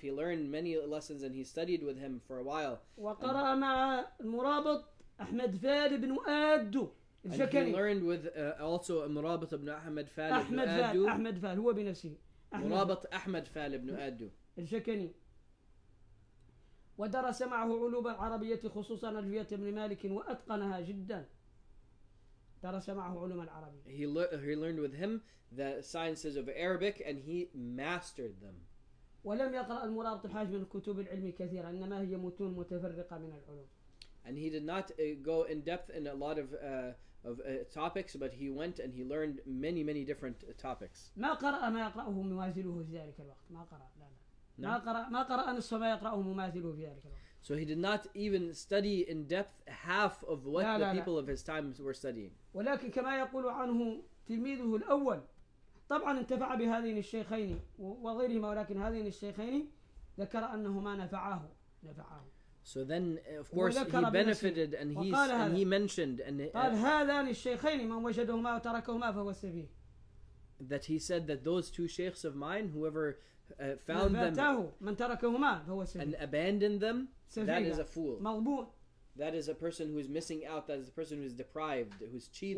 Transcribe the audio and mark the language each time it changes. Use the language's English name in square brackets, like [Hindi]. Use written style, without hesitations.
[English] He learned many lessons and he studied with him for a while. [Arabic] وقرأ مع المرابط أحمد فاد بن أد. [English] And he learned with also المرابط ابن أحمد فاد بن أد. [Arabic] أحمد فاد. أحمد فاد هو بنفسه. مرابط أحمد فاد بن أد. الجكني. ودرس معه علوم العربية خصوصا ألفية ابن مالك وأتقنها جدا. درس معه علوم العربية. [English] He learned with him the sciences of Arabic and he mastered them. [Arabic] ولم يقرأ المرابط الحاج من كتب العلم كثيرا إنما هي متون متفرقة من العلوم. [English] And he did not go in depth in a lot of topics, but he went and he learned many many different topics. [Arabic] ما قرأ ما يقرأه موازله في ذلك الوقت. ما قرأ لا. No. [English] So he did not even study in depth half of what the people of his time were studying. [Arabic] ولكن كما يقول عنه تلميذه الأول طبعا انتفع بهذين الشيخين وغيرهما ولكن هذين الشيخين ذكر أنهما نفعاه. [English] So then of course he benefited and he mentioned and [Arabic] قال هذان الشيخين من وجدهما وتركهما فهو السفيه. [English] That he said that those two sheikhs of mine, whoever found them and abandoned them, that is a fool. That is a person who is missing out. That is a person who is deprived, who is cheated